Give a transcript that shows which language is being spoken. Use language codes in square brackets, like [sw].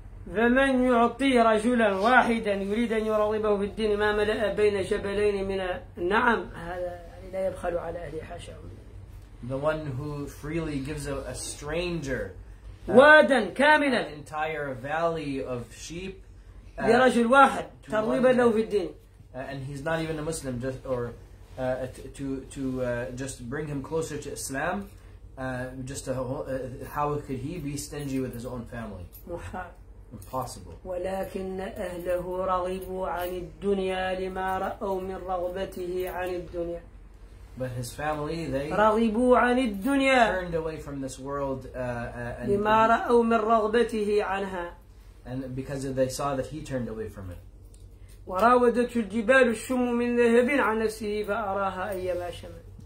[ar] فمن يعطي رجلا واحدا يريد أن يرغبه في الدين ما ملأ بين جبلين من النعم هذا لا يبخل على أهلي حاشا [en] The one who freely gives a stranger [ar] وادا كاملا [en] an entire valley of sheep [ar] لرجل واحد ترغبا له في الدين [en] and he's not even a Muslim just or to just bring him closer to Islam just a how could he be stingy with his own family Impossible. [ar] ولكن أهله رغبوا عن الدنيا لما رأوا من رغبته عن الدنيا. [en] But his family they [ar] رغبوا عن الدنيا. [en] Turned away from this world. [ar] لما رأوا من رغبته عنها. [en] And because they saw that he turned away from it. [ar] وراودت الجبال الشم من ذهب عن نفسه فأراها أيما شمل.